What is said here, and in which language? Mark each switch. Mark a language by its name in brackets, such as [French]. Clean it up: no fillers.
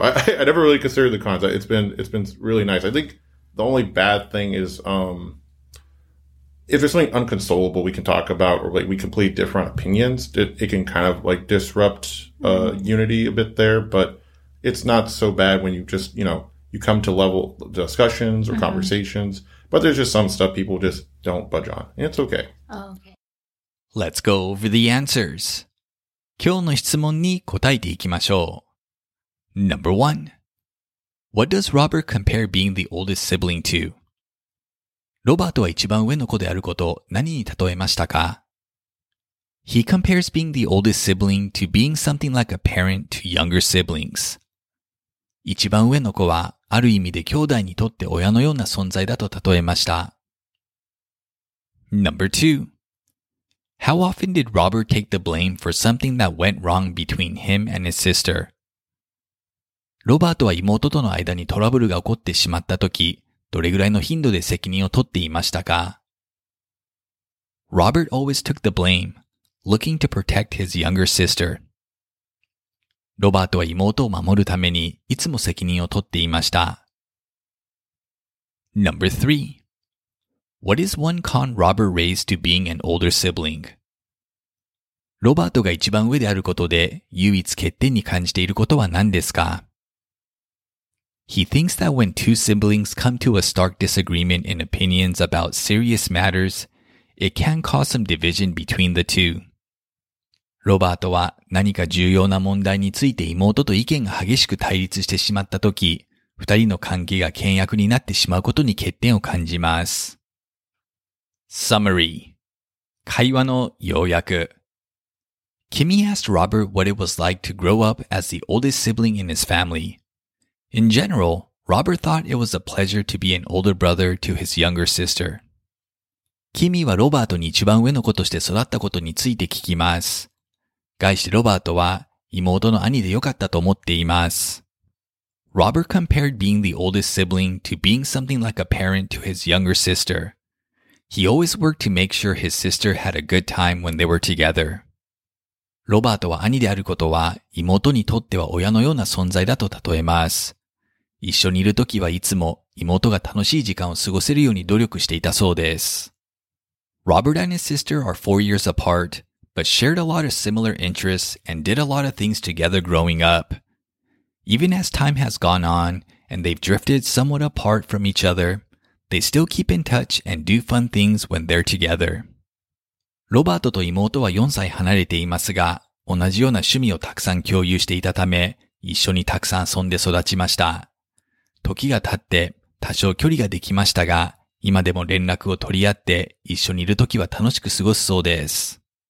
[English] I never really considered the cons. It's been really nice. I think the only bad thing is if there's something unconsolable we can talk about or like we completely differ on opinions, it can kind of like disrupt unity a bit there. But it's not so bad when you just, you know, you come to level discussions or conversations. But there's just some stuff people just don't budge on. And it's okay. Oh, okay. Let's go over the answers. [Japanese] 今日の質問に答えていきましょう。 [English] Number 1. What does Robert compare being the oldest sibling to? [Japanese] ロバートは一番上の子であること何に例えましたか? [English] He compares being the oldest sibling to being something like a parent to younger siblings. [Japanese] 一番上の子はある意味で兄弟にとって親のような存在だと例えました。 [English] Number 2. How often did Robert take the blame for something that went wrong between him and his sister? [Japanese] ロバートは妹との間にトラブルが起こってしまったとき、どれぐらいの頻度で責任を取っていましたか? [English] Robert always took the blame, looking to protect his younger sister. [Japanese] ロバートは妹を守るためにいつも責任を取っていました。 [English] Number 3. What is one con Robert raised to being an older sibling? [Japanese] ロバートが一番上であることで唯一欠点に感じていることは何ですか? [English] He thinks that when two siblings come to a stark disagreement in opinions about serious matters, it can cause some division between the two. [Japanese] ロバートは何か重要な問題について妹と意見が激しく対立してしまったとき、二人の関係が険悪になってしまうことに欠点を感じます。 [English] Summary. [Japanese] 会話の要約。 [English] Kimmy asked Robert what it was like to grow up as the oldest sibling in his family. In general, Robert thought it was a pleasure to be an older brother to his younger sister. [Japanese] Kimmy はロバートに一番上の子として育ったことについて聞きます。概してロバートは妹の兄でよかったと思っています。 [English] Robert compared being the oldest sibling to being something like a parent to his younger sister. He always worked to make sure his sister had a good time when they were together. [Japanese] ロバートは兄であることは妹にとっては親のような存在だと例えます。一緒にいるときはいつも妹が楽しい時間を過ごせるように努力していたそうです。 [English] Robert and his sister are 4 years apart, but shared a lot of similar interests and did a lot of things together growing up. Even as time has gone on and they've drifted somewhat apart from each other,They still keep in touch and do fun things when they're together. [Japanese] ロバートと妹は4歳離れていますが、同じような趣味をたくさん共有していたため、一緒にたくさん遊んで育ちました。時が経って、多少距離ができましたが、今でも連絡を取り合って、一緒にいる時は楽しく過ごすそうです。